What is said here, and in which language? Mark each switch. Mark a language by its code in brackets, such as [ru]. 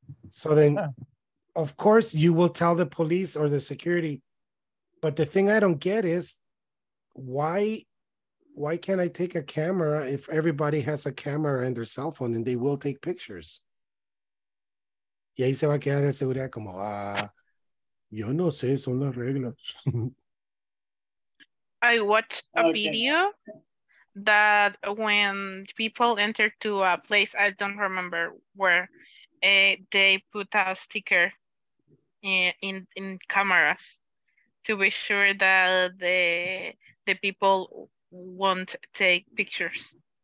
[en] So then, of course, you will tell the police or the security. But the thing I don't get is, why can't I take a camera if everybody has a camera and their cell phone and they will take pictures? [es] Y ahí se va a quedar en seguridad como, yo no sé, son las reglas. [en] I watched a video that when people enter to a place, I don't remember where, they put a sticker in cameras to be sure that the people won't take pictures.